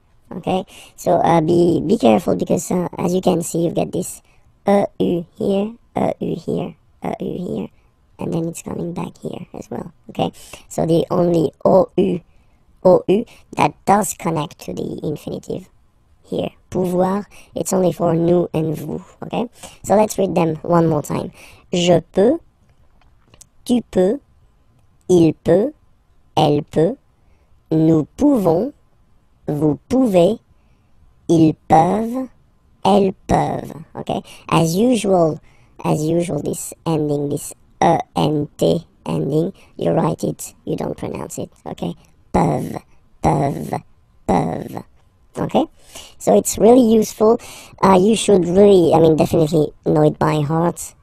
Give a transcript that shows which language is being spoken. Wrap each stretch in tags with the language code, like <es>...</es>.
<en>Okay, so be careful because as you can see, you've got this eu here, eu here, eu here, and then it's coming back here as well. Okay, so the only ou that does connect to the infinitive here, pouvoir, it's only for nous and vous. Okay, so let's read them one more time.</en> <fr>Je peux, tu peux, il peut, elle peut, nous pouvons. Vous pouvez, ils peuvent, elles peuvent.</fr> <en>Okay, as usual, this ending, this ENT ending, you write it, you don't pronounce it.</en> <fr>Okay, peuvent, peuvent, peuvent.</fr> <en>Okay, so it's really useful. You should really, I mean, definitely know it by heart.</en>